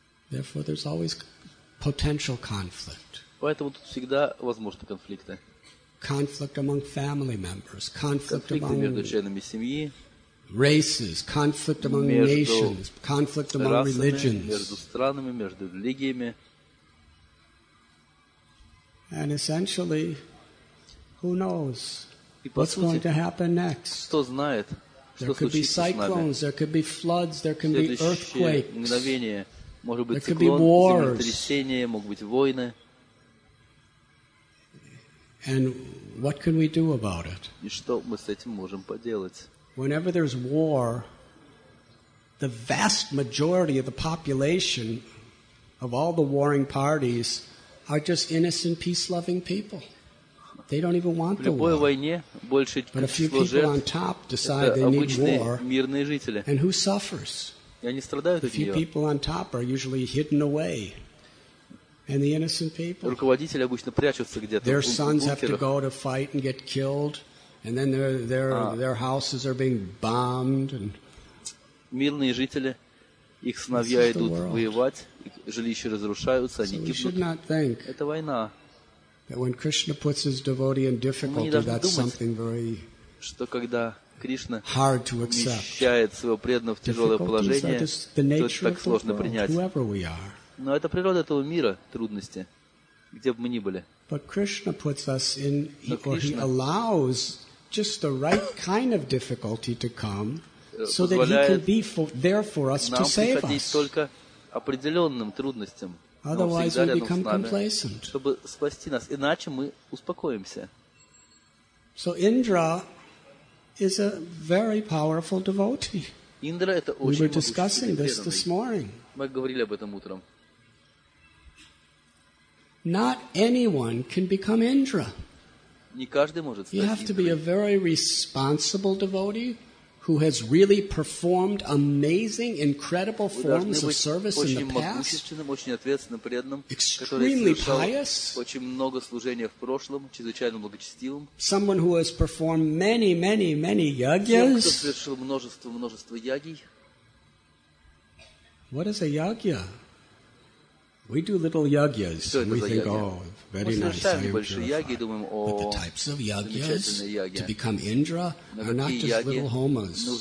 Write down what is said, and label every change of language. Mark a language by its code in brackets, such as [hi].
[en] Therefore, there's always potential conflict. [ru] Поэтому тут всегда возможны конфликты. [en] Conflict among family members, conflict among [ru] между членами семьи, [en] races, conflict among nations, conflict among religions, [ru] между странами, между религиями. [en] And essentially, who knows what's going to happen next? [ru] Кто знает, что случится с нами? [en] There could be cyclones, there could be floods, there can be earthquakes. [ru] Мгновение, может быть циклон, землетрясение, могут быть войны. [en] And what can we do about it? [ru] И что мы с этим можем поделать? [en] Whenever there's war, the vast majority of the population of all the warring parties are just innocent, peace-loving people. They don't even want the war. [ru] В любой войне больше [en] But a few people on top decide they need war. [ru] Мирные жители. [en] And who suffers? [ru] И они страдают от нее. [en] A few people on top are usually hidden away. And the innocent people. [ru] Руководители обычно прячутся где-то. [en] Their sons have to go to fight and get killed. And then their houses are being bombed. And [ru] мирные жители, их сыновья идут воевать, жилища разрушаются, они гибнут. Это война. [en] That when Krishna puts his devotee in difficulty, that's something very [ru] что когда Кришна вмещает своего преданного в тяжелое положение, то это так сложно принять. Но это природа этого мира, трудности, где бы мы ни были. [en] But Krishna puts us in, or he allows just the right kind of difficulty to come so that he can be there for us to save us. [ru] Только определенным трудностям. [en] Otherwise we become complacent. [ru] Чтобы спасти нас, иначе мы успокоимся. [en] So Indra is a very powerful devotee. [ru] Индра это очень. [en] We were discussing this morning. [ru] Мы говорили об этом утром. [en] Not anyone can become Indra. [ru] Не каждый может стать [en] You have to be a very responsible devotee who has really performed amazing, incredible forms of service in the past. [ru] Очень ответственным, преданным, [en] extremely pious. [ru] Очень много служения в прошлом, чрезвычайно благочестивым. [en] Someone who has performed many, many, many yagyas. [ru] Кто совершил множество, множество ягий. [en] What is a yagya? We do little yagyas, and we think, oh, very nice, I am purified. But the types of yagyas to become Indra are not just little homas.